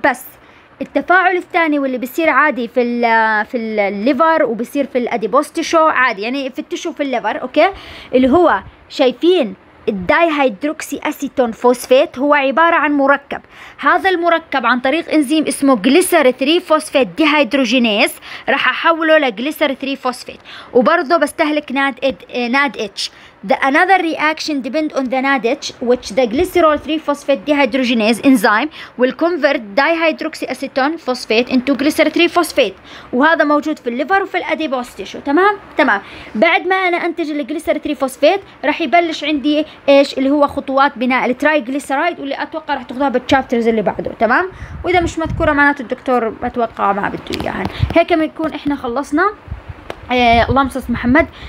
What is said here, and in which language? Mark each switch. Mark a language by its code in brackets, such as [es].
[ar] بس التفاعل الثاني واللي بيصير عادي في الليفر وبيصير في الاديبوس تيشو عادي، يعني في التيشو في الليفر، اوكي، اللي هو شايفين الداي هيدروكسي اسيتون فوسفيت هو عباره عن مركب. هذا المركب عن طريق انزيم اسمه جليسر 3 فوسفيت دي هيدروجينيز راح احوله لجليسر 3 فوسفيت، وبرضه بستهلك ناد اتش [en] The another reaction depend on the NADH, which the glycerol 3-phosphate dehydrogenase enzyme will convert dihydroxyacetone phosphate into glycerol 3-phosphate. [ar] وهذا موجود في الليفر وفي الأديبوس تيشو. تمام؟ تمام. بعد ما أنا أنتج الجليسرول 3-phosphate رح يبلش عندي إيش اللي هو خطوات بناء الترايجليسرايد واللي أتوقع رح تاخذها بالشابترز اللي بعده. تمام؟ وإذا مش مذكورة معناته الدكتور أتوقع ما بده إياها. هيك بنكون إحنا خلصنا. اللهم صل محمد.